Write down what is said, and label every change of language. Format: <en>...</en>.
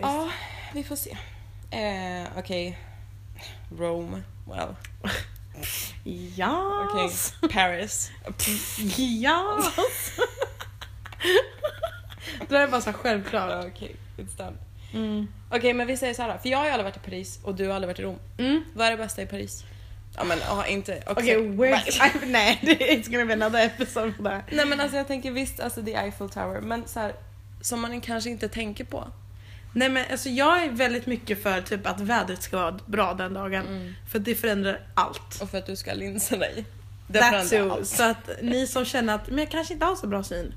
<sv>Ja, vi får se. Okej. Okay.</sv> <en>Rome, well.</en> <sv>Ja. Okej. Okay. Paris. Ja. Det är bara så självklart.</sv> <en>Okej. Okay. It's done.</en> <sv>Okej, okay, men vi säger så här, för jag har ju aldrig varit i Paris och du har aldrig varit i Rom. Mm. Vad är det bästa i Paris? Ja, men inte.</sv> <en>Okej, okay, nej, it's gonna be another episode for that.</en> <sv>Nej, men alltså jag tänker visst alltså the Eiffel Tower, men så här, som man kanske inte tänker på. Nej, men alltså jag är väldigt mycket för typ att vädret ska vara bra den dagen. Mm. För att det förändrar allt. Och för att du ska linsa dig. Det förändrar allt. Så att ni som känner att men jag kanske inte har så bra syn.</sv>